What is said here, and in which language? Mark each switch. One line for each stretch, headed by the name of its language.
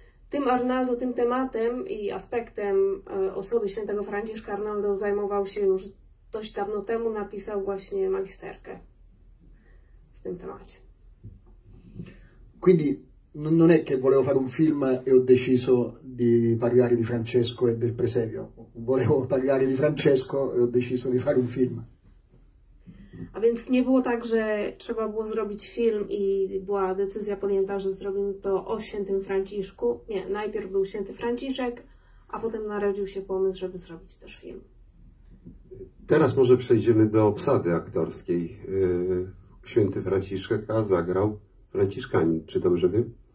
Polish: Tym Arnaldo, tym tematem i aspektem osoby świętego Franciszka Arnaldo zajmował się już dość dawno temu, napisał właśnie magisterkę w tym temacie.
Italian: Quindi non è che volevo fare un film e ho deciso di parlare di Francesco e del presepio. Volevo parlare di Francesco e ho deciso di fare un film.
Polish: A więc nie było tak, że trzeba było zrobić film i była decyzja podjęta, że zrobimy to o świętym Franciszku. Nie, najpierw był święty Franciszek, a potem narodził się pomysł, żeby zrobić też film. Teraz może przejdziemy do obsady aktorskiej. Święty Franciszek zagrał Franciszkanin, czy dobrze wiem?